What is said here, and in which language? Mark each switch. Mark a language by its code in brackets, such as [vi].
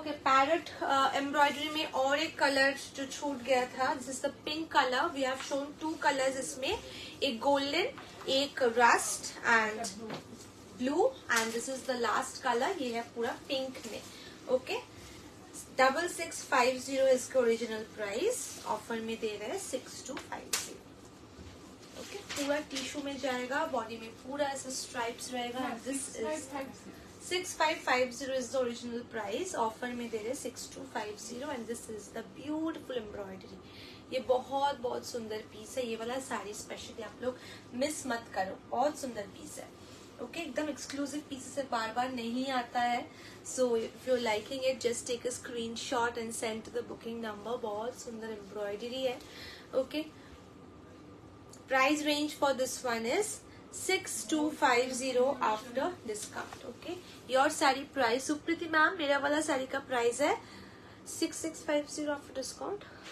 [hi] Parrot embroidery में और एक कलर जो छूट गया था [en] this is the pink colour we have shown two colours [hi] इसमें एक गोल्डन एक rust and blue and [en] this is the last colour [hi] ये है पूरा पिंक में ओके 6650 इसके ओरिजिनल प्राइस ऑफर में दे रहे हैं 6250 ओके पूरा टिश्यू में जाएगा बॉडी में पूरा ऐसा स्ट्राइप्स रहेगा and [en] This is 6550 is the original price. Offer [hi] में दे रहे [en] 6250 and this is the beautiful embroidery. [hi] ये बहुत बहुत सुंदर पीस है ये वाला साड़ी स्पेशली आप लोग मिस मत करो बहुत सुंदर पीस है ओके एकदम एक्सक्लूसिव पीसेस है बार बार नहीं आता है [en] so if you liking it just take a screenshot and send to the booking number [hi] बहुत सुंदर एम्ब्रॉयडरी है okay [en] price range for this one is 6250 after discount [hi] okay your sari price Supriti ma'am मेरा वाला साड़ी का प्राइस है 6650 after discount